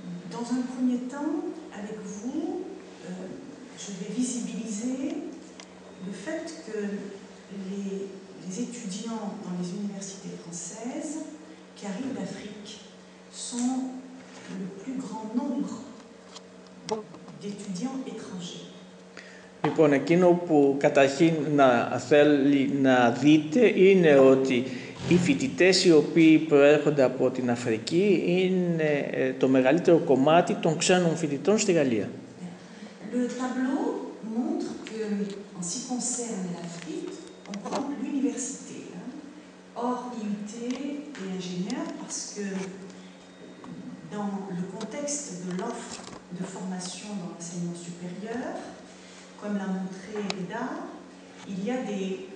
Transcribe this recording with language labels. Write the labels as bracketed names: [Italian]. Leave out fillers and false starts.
[French] Dans un premier temps, avec vous, je vais visibiliser le fait que les étudiants dans les universités françaises qui arrivent d'Afrique sont le plus grand nombre d'étudiants étrangers. [Greek] Λοιπόν, εκείνο που καταρχήν να θέλει να δείτε είναι ότι οι φοιτητές οι οποίοι προέρχονται από την Αφρική είναι το μεγαλύτερο κομμάτι των ξένων φοιτητών στη Γαλλία. [French] Le tableau montre que en ce qui concerne l'Afrique, on prend l'université, hors IUT et ingénieur, parce que dans le contexte de l'offre de formation dans l'enseignement supérieur, comme l'a montré Reda, il y a des